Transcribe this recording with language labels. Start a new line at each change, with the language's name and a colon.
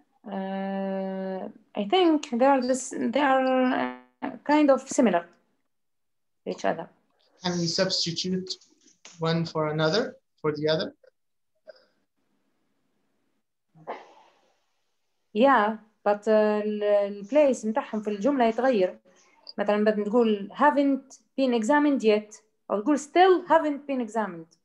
English: Uh, I think they are kind of similar to each other. Can we substitute one for another, for the other? Yeah, but place
Arabic: نتاعهم في الجملة يتغير. مثلا بدنا تقول
English: haven't been examined yet
Arabic: أو تقول
English: still haven't been examined.